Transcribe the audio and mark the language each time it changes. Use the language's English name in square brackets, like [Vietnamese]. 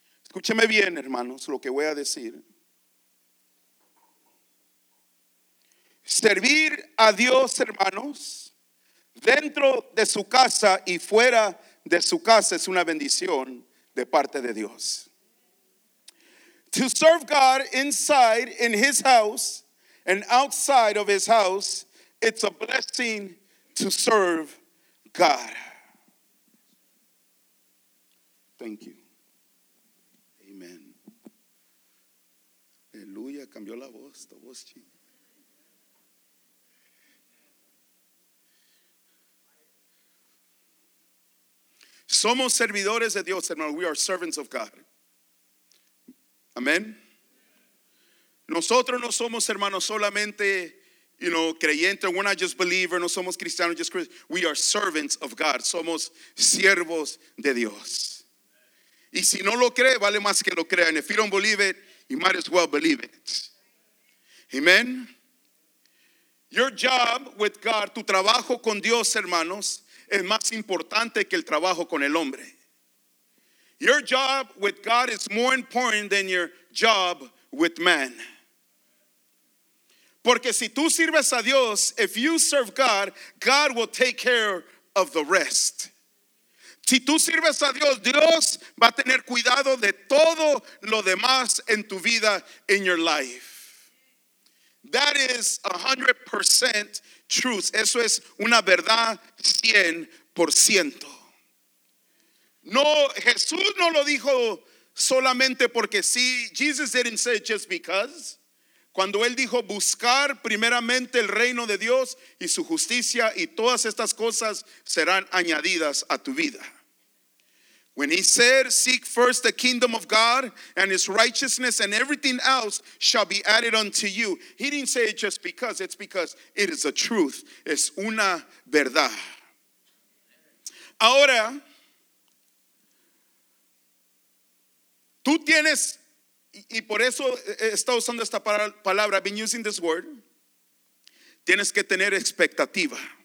[Spanish] Escúcheme bien, hermanos, lo que voy a decir. Servir a Dios, hermanos, dentro de su casa y fuera de su casa es una bendición de parte de Dios. [English] To serve God inside in his house and outside of his house, it's a blessing to serve God. Thank you. Amen. [Spanish] Aleluya, cambió la voz, tu voz chinga. Somos servidores de Dios, hermano. [English] We are servants of God. [Spanish] Amén. Nosotros no somos, hermanos, solamente, [English] you know, [Spanish] creyentes. [English] We're not just believers. [Spanish] No somos cristianos, [English] just Christians. We are servants of God. [Spanish] Somos siervos de Dios. Y si no lo cree, vale más que lo crean. [English] If you don't believe it, you might as well believe it. Amén. Your job with God, [Spanish] tu trabajo con Dios, hermanos, es más importante que el trabajo con el hombre. [English] Your job with God is more important than your job with man. [Spanish] Porque si tú sirves a Dios, [English] if you serve God, God will take care of the rest. [Spanish] Si tú sirves a Dios, Dios va a tener cuidado de todo lo demás en tu vida, [English] in your life. That is 100% truth. [Spanish] Eso es una verdad 100%. No, Jesús no lo dijo solamente porque sí. [English] Jesus didn't say just because. [Spanish] Cuando él dijo buscar primeramente el reino de Dios y su justicia, y todas estas cosas serán añadidas a tu vida. [English] When he said seek first the kingdom of God and his righteousness, and everything else shall be added unto you. He didn't say it just because. It's because it is a truth. [Spanish] Es una verdad. Ahora, tú tienes, y por eso he estado usando esta palabra, [English] I've been using this word, [Spanish] tienes que tener expectativa.